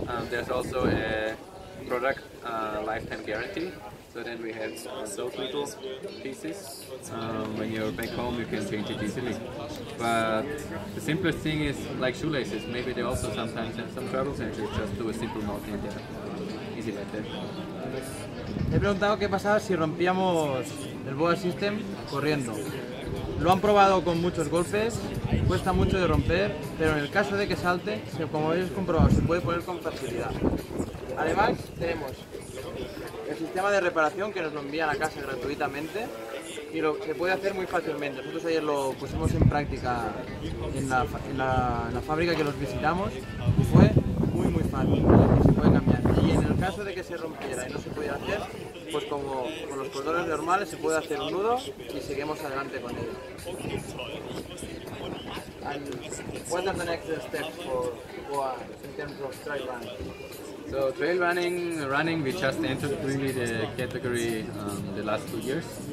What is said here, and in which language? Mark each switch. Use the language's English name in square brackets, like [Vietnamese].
[English] There's also a product lifetime guarantee. So then we have so little pieces. When you're back home, you can change it easily. But the simplest thing is like shoelaces. Maybe they also sometimes have some troubles and just do a simple knot in there. Easy like that. [Spanish] He preguntado qué pasaba si rompíamos el BOA system corriendo. Lo han probado con muchos golpes, cuesta mucho de romper, pero en el caso de que salte, como habéis comprobado, se puede poner con facilidad. Además, tenemos el sistema de reparación que nos lo envían a casa gratuitamente y lo se puede hacer muy fácilmente. Nosotros ayer lo pusimos en práctica en la fábrica que los visitamos y fue muy muy fácil, se puede cambiar. Y en el caso de que se rompiera y no se pudiera hacer, pues como con los cordones normales se puede hacer un nudo y seguimos adelante con ello. [English] And what are the next steps for BOA in terms of trail running? So trail running, we just entered really the category the last 2 years.